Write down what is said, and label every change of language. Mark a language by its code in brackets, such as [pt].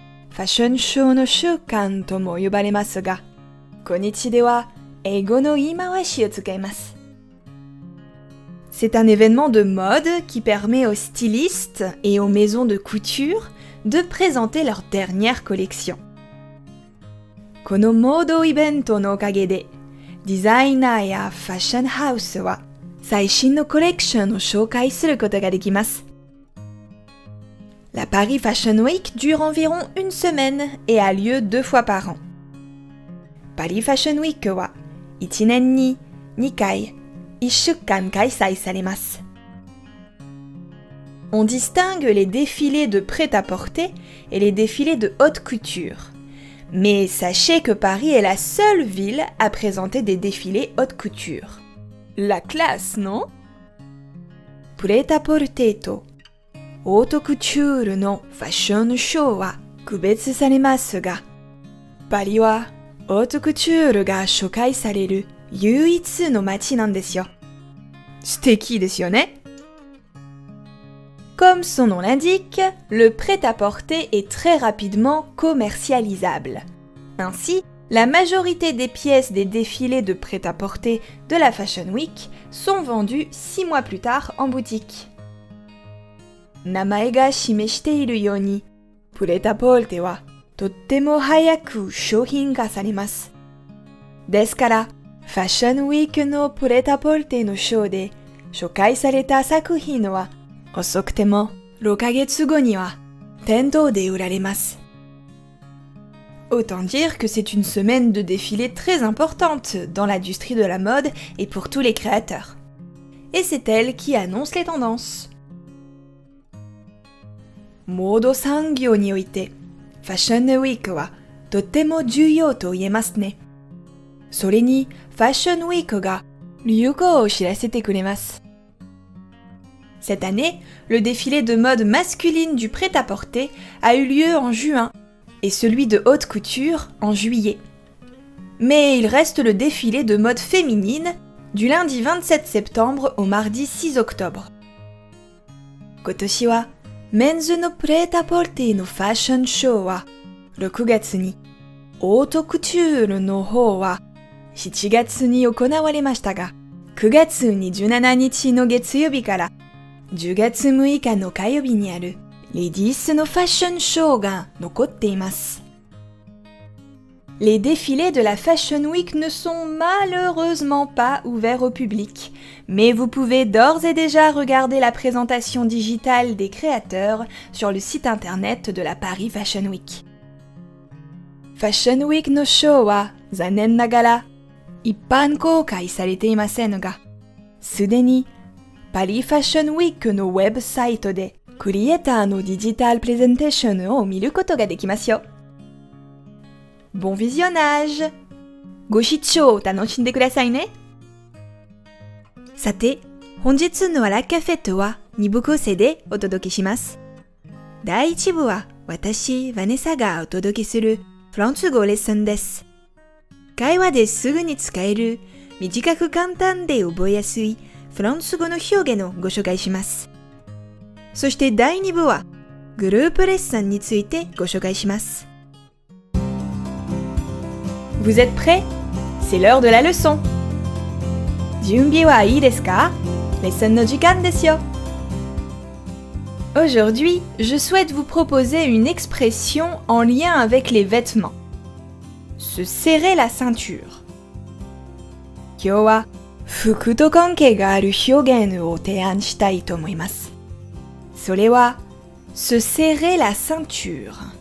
[ja] ファッションショーの週間とも呼ばれますが、今日では英語の言い回しを使います。 [fr] C'est un événement de mode qui permet aux stylistes et aux maisons de couture de présenter leur dernière collection. [ja] このモードイベントのおかげで、デザイナーやファッションハウスは最新のコレクションを紹介することができます。 [fr] La Paris Fashion Week dure environ une semaine et a lieu deux fois par an. [ja] Paris Fashion Week は1年に2回、1週間開催されます。 [fr] On distingue les défilés de prêt-à-porter et les défilés de haute couture. Mais sachez que Paris est la seule ville à présenter des défilés haute couture. La classe, non ? [ja] Prêt-à-porter toオートクチュールのファッションショーは区別されますが、パリはオートクチュールが紹介される唯一の街なんですよ。素敵ですよね。 [fr] Comme son nom l'indique, le prêt-à-porter est très rapidement commercialisable. Ainsi, la majorité des pièces des défilés de prêt-à-porter de la Fashion Week sont vendues 6 mois plus tard en boutique. [ja] 名前が示しているように、プレタポルテはとっても早く商品化されます。ですから、ファッションウィークのプレタポルテのショーで紹介された作品は、遅くても6ヶ月後には店頭で売られます。 [fr] Autant dire que c'est une semaine de défilé très importante dans l'industrie de la mode et pour tous les créateurs. Et c'est elle qui annonce les tendances. [ja] モード産業において、ファッションウィークはとても重要と言えますね。それに、ファッションウィークが流行を知らせてくれます。 [fr] Cette année, le défilé de mode masculine du prêt-à-porter a eu lieu en juin et celui de haute couture en juillet. Mais il reste le défilé de mode féminine du lundi 27 septembre au mardi 6 octobre. [ja] 今年はメンズのプレータポルテのファッションショーは6月に、オートクチュールの方は7月に行われましたが、9月27日の月曜日から10月6日の火曜日にあるレディースのファッションショーが残っています。 [fr] Les défilés de la Fashion Week ne sont malheureusement pas ouverts au public, mais vous pouvez d'ores et déjà regarder la présentation digitale des créateurs sur le site internet de la Paris Fashion Week. [ja] ファッションウィークのショーは残念ながら一般公開されていませんが、すでにパリファッションウィークのウェブサイトでクリエイターのデジタルプレゼンテーションを見ることができますよ。 [fr] Bon visionnage! [ja] ご視聴を楽しんでくださいね。さて、本日のアラカフェットは二部構成でお届けします。第一部は私、ヴァネサがお届けするフランス語レッスンです。会話ですぐに使える、短く簡単で覚えやすいフランス語の表現をご紹介します。そして第二部はグループレッスンについてご紹介します。 [fr] Vous êtes prêts? C'est l'heure de la leçon! [ja] 準備はいいですか? レッスンの時間ですよ! [fr] Aujourd'hui, je souhaite vous proposer une expression en lien avec les vêtements. Se serrer la ceinture. [ja] 今日は服と関係がある表現を提案したいと思います。それは [fr] se serrer la ceinture.